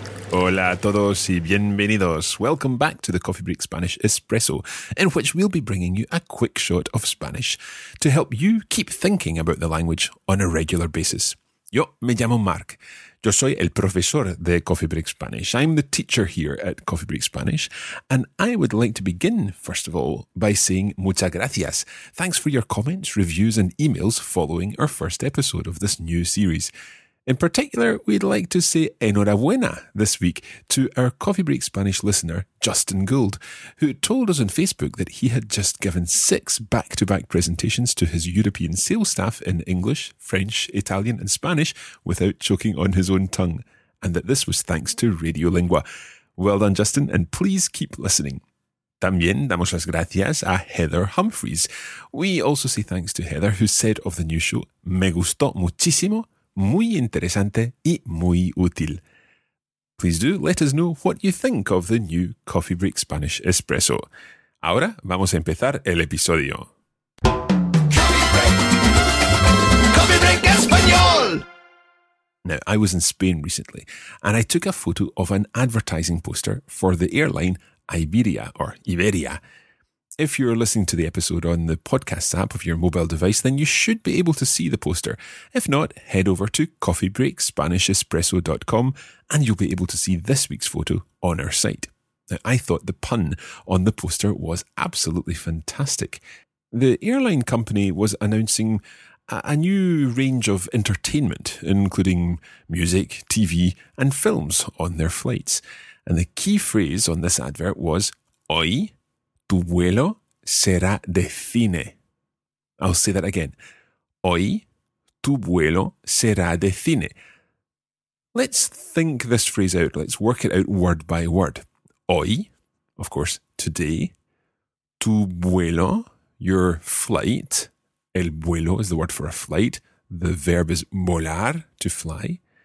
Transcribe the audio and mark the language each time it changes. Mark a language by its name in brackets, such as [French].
[Spanish] Hola a todos y bienvenidos. [English] Welcome back to the Coffee Break Spanish Espresso, in which we'll be bringing you a quick shot of Spanish to help you keep thinking about the language on a regular basis. [Spanish] Yo me llamo Marc. Yo soy el profesor de Coffee Break Spanish. [English] I'm the teacher here at Coffee Break Spanish. And I would like to begin, first of all, by saying [Spanish] muchas gracias. [English] Thanks for your comments, reviews and emails following our first episode of this new series. In particular, we'd like to say [Spanish] enhorabuena [English] this week to our Coffee Break Spanish listener, Justin Gould, who told us on Facebook that he had just given 6 back-to-back presentations to his European sales staff in English, French, Italian and Spanish without choking on his own tongue, and that this was thanks to Radiolingua. Well done, Justin, and please keep listening. [Spanish] También damos las gracias a Heather Humphreys. [English] We also say thanks to Heather, who said of the new show, [Spanish] me gustó muchísimo, muy interesante y muy útil. [English] Please do let us know what you think of the new Coffee Break Spanish Espresso. [Spanish] Ahora vamos a empezar el episodio. Coffee Break. Coffee Break Español. [English] Now, I was in Spain recently, and I took a photo of an advertising poster for the airline Iberia, or Iberia. If you're listening to the episode on the podcast app of your mobile device, then you should be able to see the poster. If not, head over to coffeebreakspanishespresso.com and you'll be able to see this week's photo on our site. Now, I thought the pun on the poster was absolutely fantastic. The airline company was announcing a new range of entertainment, including music, TV and films on their flights. And the key phrase on this advert was, [Spanish] "Hoy tu vuelo será de cine." [English] I'll say that again. [Spanish] Hoy tu vuelo será de cine. [English] Let's think this phrase out. Let's work it out word by word. [Spanish] Hoy, [English] of course, today. [Spanish] Tu vuelo, [English] your flight. [Spanish] El vuelo [English] is the word for a flight. The verb is volar, to fly.